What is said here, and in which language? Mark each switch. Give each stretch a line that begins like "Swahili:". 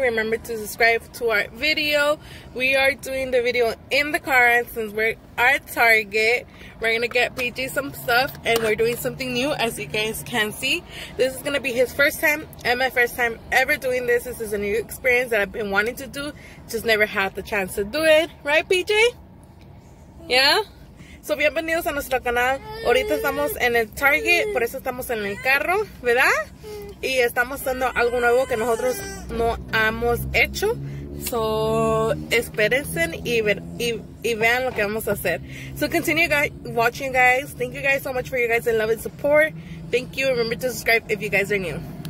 English: Remember to subscribe to our video. We are doing the video in the car since we're at Target. We're gonna get PJ some stuff and we're doing something new as you guys can see. This is gonna be his first time and my first time ever doing this. This is a new experience that I've been wanting to do, just never had the chance to do it. Right, PJ? Yeah?
Spanish: So, bienvenidos a nuestro canal. Ahorita estamos en el Target, por eso estamos en el carro, ¿verdad? Y estamos haciendo algo nuevo que nosotros no hemos hecho. So, espérense y vean lo que vamos a hacer.
English: So, continue guys, watching, guys. Thank you guys so much for your guys' love and support. Thank you. Remember to subscribe if you guys are new.